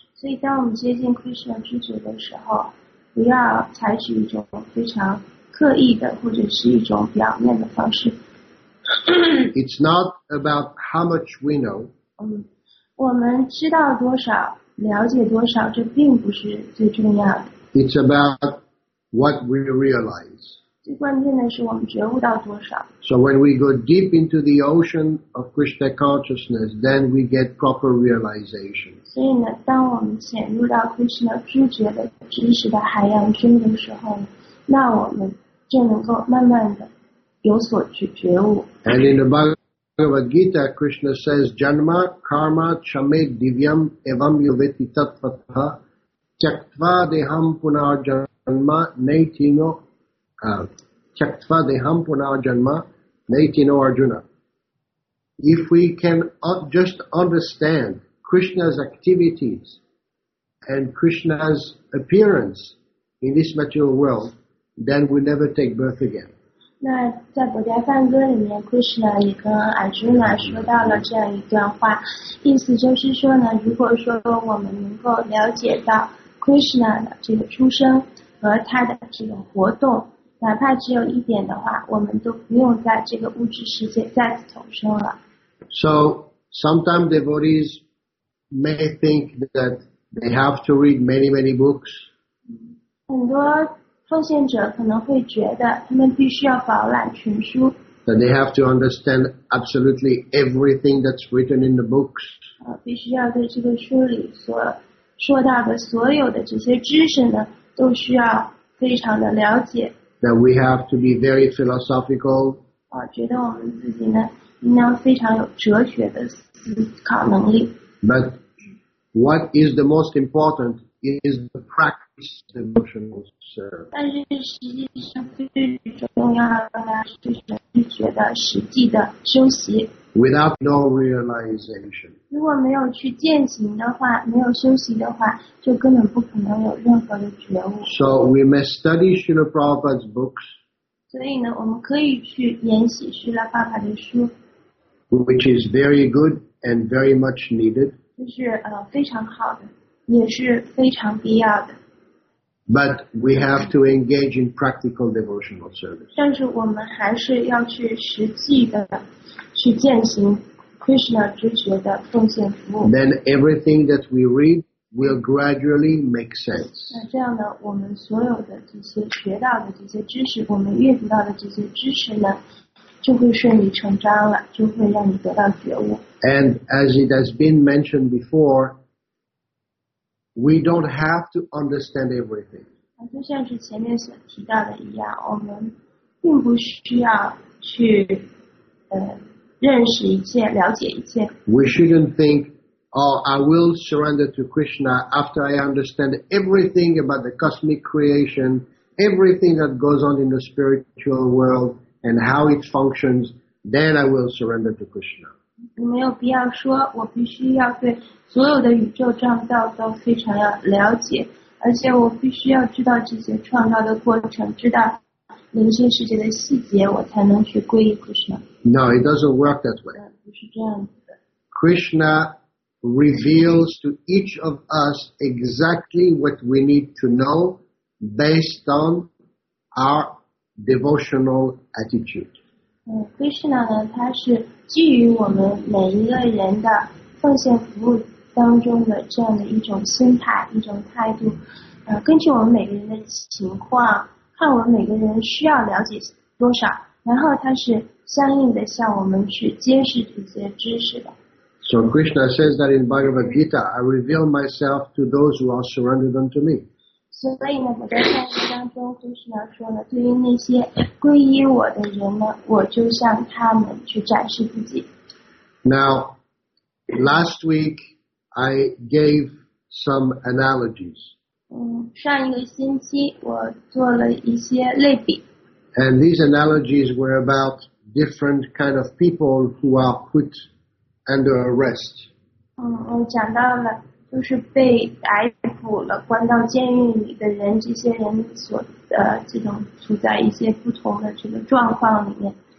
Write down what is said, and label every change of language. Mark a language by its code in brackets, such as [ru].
[zh] 所以当我们接近 Krishna 知觉的时候，不要采取一种非常刻意的或者是一种表面的方式。 [en] It's not about how much we know. [zh] 我们知道多少，了解多少，这并不是最重要的。 [en] It's about what we realize. [zh] 最关键的是我们觉悟到多少。 [en] So when we go deep into the ocean of Krishna consciousness, then we get proper realization. [zh] 所以呢，当我们潜入到 Krishna 知觉的知识的海洋中的时候，那我们就能够慢慢的有所去觉悟。 [en] And in the Bhagavad Gita, Krishna says, [sa] "Janma karma chame divyam evam yuveti tatvatha chaktva deham punar janma neitino." Chaktva deham punar janma neitino Arjuna. [en] If we can just understand Krishna's activities and Krishna's appearance in this material world, then we never take birth again. [zh] 那在《博伽梵歌》里面 ，Krishna 也跟 Arjuna 说到了这样一段话，意思就是说呢，如果说我们能够了解到 Krishna 的这个出生和他的这个活动。哪怕只有一点的话，我们都不用在这个物质世界再次重生了。 [en] So sometimes devotees may think that they have to read many, many books. [zh] 很多奉献者可能会觉得他们必须要饱览群书。 [en] That they have to understand absolutely everything that's written in the books. [zh] 必须要对这个书里所说到的所有的这些知识呢，都需要非常的了解。 [en] That we have to be very philosophical. [zh] 觉得我们自己呢，应当非常有哲学的思考能力。 [en] But what is the most important is the practice of devotional service. [zh] 但是实际上最重要的就是去觉得实际的修习。 [en] Without no realization. [zh] 如果没有去践行的话，没有修习的话，就根本不可能有任何的觉悟。 [en] So we may study Srila Prabhupada's books. [zh] 所以呢，我们可以去研习 Srila Prabhupada 的书。 [en] Which is very good and very much needed. [zh] 就是非常好的，也是非常必要的。 [en] But we have to engage in practical devotional service. [zh] 但是我们还是要去实际的去践行 Krishna 知觉的奉献服务。 [en] Then everything that we read will gradually make sense. [zh] 那这样呢，我们所有的这些学到的这些知识，我们阅读到的这些知识呢，就会顺理成章了，就会让你得到觉悟。 [en] And as it has been mentioned before,We don't have to understand everything. [zh] 就像是前面所提到的一样，我们并不需要去认识一切，了解一切。 [en] We shouldn't think, oh, I will surrender to Krishna after I understand everything about the cosmic creation, everything that goes on in the spiritual world and how it functions, then I will surrender to Krishna. [zh] 没有必要说，我必须要对所有的宇宙创造都非常要了解，而且我必须要知道这些创造的过程，知道灵性世界的细节，我才能去皈依 Krishna。 [en] No, it doesn't work that way. [zh] 不是这样的。 [en] Krishna reveals to each of us exactly what we need to know based on our devotional attitude. [zh] Krishna 呢，他是基于我们每一个人的奉献服务当中的这样的一种心态，一种态度，根据我们每个人的情况，看我们每个人需要了解多少，然后他是相应的向我们去揭示这些知识的。 [en] So Krishna says that in Bhagavad Gita, I reveal myself to those who are surrendered unto me. [zh] 所以呢，我在上一当中 ，Krishna 说呢，对于那些皈依我的人呢，我就向他们去展示自己。 [en] Now, last week. I gave some analogies. [zh] 上一个星期我做了一些类比。 [en] And these analogies were about different kind of people who are put under arrest. [zh] 我讲到了就是被逮捕了，关到监狱里的人，这些人所这种处在一些不同的这个状况里面。